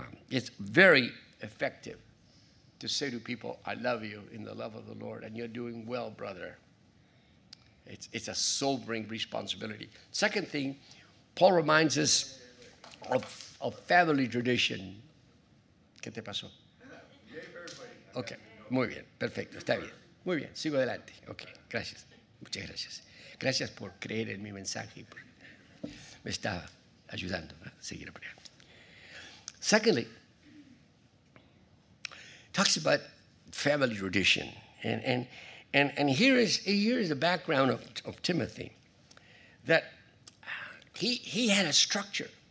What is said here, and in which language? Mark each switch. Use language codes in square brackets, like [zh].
[en] It's very effective to say to people, I love you in the love of the Lord, and you're doing well, brother. It's a sobering responsibility. Second thing, Paul reminds us of family tradition. [es] ¿Qué te pasó? Okay, muy bien, perfecto, está bien. Muy bien, sigo adelante. Okay, gracias, muchas gracias. Gracias por creer en mi mensaje. Me está ayudando a seguir aprendiendo. [en] Secondly, talks about family tradition. And here is the background of Timothy, that he had a structure.